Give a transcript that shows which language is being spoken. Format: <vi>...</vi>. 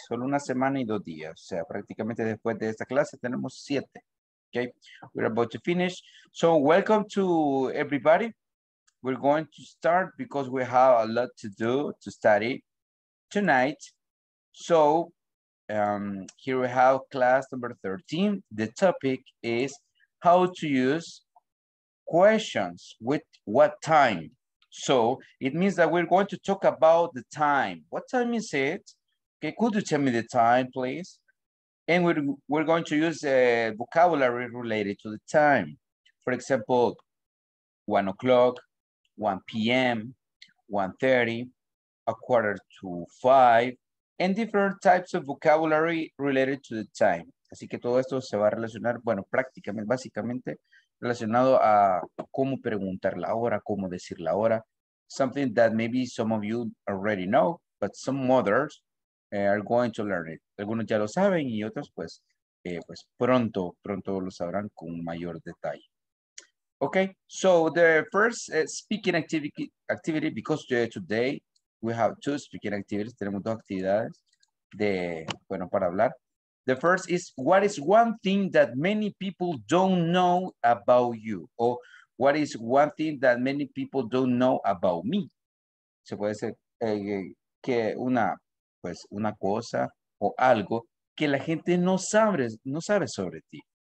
<es>Solo una semana y dos días. O sea, prácticamente después de esta clase tenemos 7.</es> <en>Okay, we're about to finish. So, welcome to everybody. We're going to start because we have a lot to do to study tonight. So here we have class number 13. The topic is how to use questions with what time. So it means that we're going to talk about the time. What time is it? Okay, could you tell me the time, please? And we're going to use a vocabulary related to the time. For example, 1 o'clock. 1 p.m., 1:30, 4:45, and different types of vocabulary related to the time.</en> <es>Así que todo esto se va a relacionar, bueno, prácticamente, básicamente, relacionado a cómo preguntar la hora, cómo decir la hora.</es> <en>Something that maybe some of you already know, but some others are going to learn it.</en> <es>Algunos ya lo saben y otros, pues, pues pronto lo sabrán con mayor detalle.</es> <en>Okay, so the first speaking activity, because today we have two speaking activities,</en> <es>tenemos dos actividades de, bueno, para hablar.</es> <en>The first is, what is one thing that many people don't know about you? Or what is one thing that many people don't know about me?</en> <es>Se puede ser que una, pues, una cosa o algo que la gente no sabe sobre ti.</es>